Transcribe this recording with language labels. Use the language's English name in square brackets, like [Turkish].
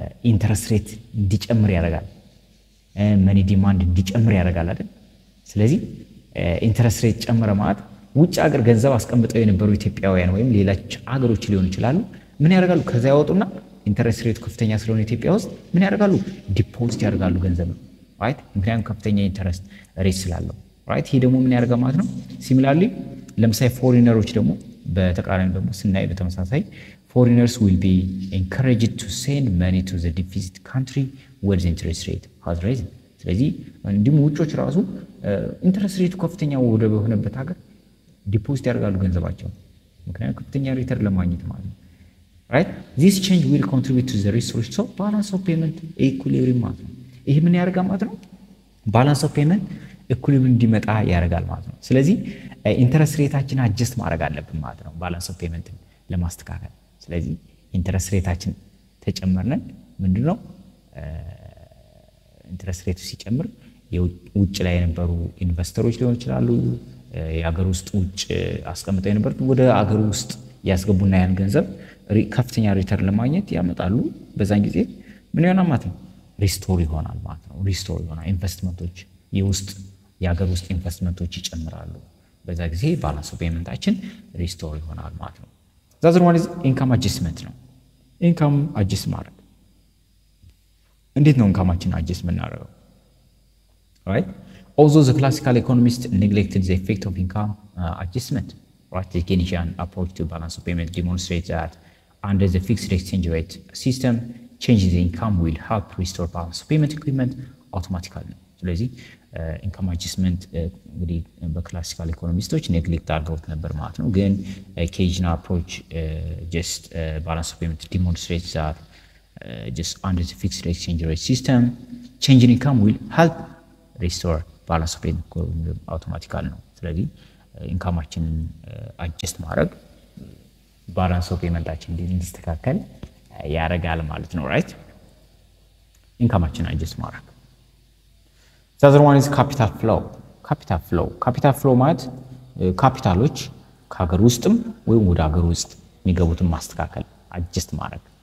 [Amharic] ኢንተረስት ሬት እንዲጨምር ያረጋል ማኒ ዲማንድ እንዲጨምር ያረጋል አይደል ስለዚህ ኢንተረስት ሬት ጨምረ ማለት ውጭ ሀገር ገንዘብ አስቀምጠው የነበሩ ኢትዮጵያውያን ወይም ሌላች ሀገሮች ሊሆኑ ይችላሉ ምን ያረጋሉ ከዛ ያወጡና ኢንተረስት ሬት ከፍተኛ ስለሆነ ኢትዮጵያ ውስጥ ምን ያረጋሉ ዲፖዚት ያረጋሉ ገንዘብ ራይት ምክንያቱም ከፍተኛ ኢንተረስት ሬት ስላለው right? ይሄ ደግሞ ምን ያርጋ ማለት ነው? [English] similarly [Amharic] ለምሳሌ foreigners ደግሞ በተቃራኒ ደግሞ ስናይ በተመሳሳይ [English] foreigners will be encouraged to send money to the deficit country where the interest rate has risen. [Amharic] ስለዚህ እንዲሁም ውጮች ራሱ interest rate ከፍተኛ ወደ ሆነበት ሀገር deposit ያርጋሉ ገንዘባቸው ምክንያቱም ከፍተኛ ሪተርን ለማግኘት ማለት ነው። Right? [English] This change will contribute to the resource so balance of payment equilibrium [Amharic] ማለት ነው። ይሄ ምን ያርጋ ማለት ነው? balance of payment equilibrium እንዲመጣ ያርጋል ማለት ነው። ስለዚህ interest rateታችን adjust ማድረግ አለብን ማለት ነው balance of payment ለማስተካከል። ስለዚህ interest rateታችን ተጨመረን ምንድነው? interest rateው ሲጨምር የውጭ ላይ የነበሩ ኢንቨስተሮች ሊሆን ይችላሉ የሀገር ውስጥ ውጭ አስቀምጠው የነበሩት ወደ ሀገር ውስጥ ያስገቡና ያን ገንዘብ ከፍተኛ ሪተርን ለማግኘት ያመጣሉ። በዛን ጊዜ ምን ይሆናል ማለት ነው? ሪስቶር ይሆናል ማለት ነው። ሪስቶር ይሆናል ኢንቨስትመንቶች የውስጥ የሀገር ውስጥ ኢንቨስትመንቶች ይጨምራሉ። በዛ ጊዜ ባላንስ ኦፍ ፔመንታችን ሪስቶር ይሆናል ማለት ነው። [English] ዛዘር ዋን ኢዝ ኢንካም አጀስትመንት [Amharic] ነው። ኢንካም አጀስት ማድረግ እንዴት ነው ኢንካማችን አጀስት ምናደርገው? [English] ራይት ኦልዞ ዘ ክላሲካል ኢኮኖሚስት ኔግሌክትድ ዘ ኢፌክት ኦፍ ኢንካም አጀስትመንት right the Keynesian approach to balance of payment demonstrates that under the fixed exchange rate system changes in income will help restore balance of payment equilibrium automatically. [Amharic] ስለዚህ income adjustment እንግዲህ በclassical economistsዎች neglect አድርገውት ነበር ማለት ነው። [English] ግን Keynesian approach just balance of payment demonstrates that just under the fixed exchange rate system change in income will help restore balance of payment equilibrium automatically. [Amharic] ስለዚህ ኢንካማችን አጀስት ማድረግ ባላንስ ኦፍ ፔመንታችን እንዲስተካከል ያረጋል ማለት ነው። ራይት ኢንካማችን አጀስት ማድረግ [English] ዘዘር ዋን ኢዝ ካፒታል ፍሎው። [Amharic] ካፒታል ፍሎው ካፒታል ፍሎው ማለት ካፒታሎች ከሀገር ውስጥም ወይም ወደ ሀገር ውስጥ የሚገቡትን ማስተካከል አጀስት ማድረግ።